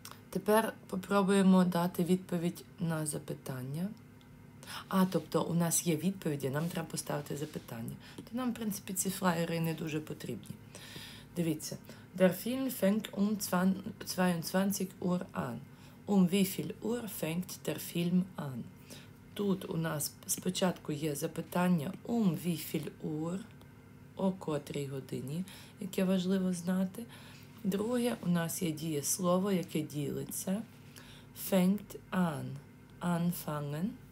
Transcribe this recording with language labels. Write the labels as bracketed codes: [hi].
[uk] Тепер попробуємо дати відповідь на запитання. А, тобто, у нас є відповіді, нам треба поставити запитання. То нам, в принципі, ці флаєри не дуже потрібні. Дивіться. [de] Der Film fängt 22 Uhr an. Wie viel Uhr fängt der Film an? [uk] Тут у нас спочатку є запитання [de] wie viel Uhr, [uk] о котрій годині, яке важливо знати. Друге, у нас є дієслово, яке ділиться. [de] Fängt an. Anfangen.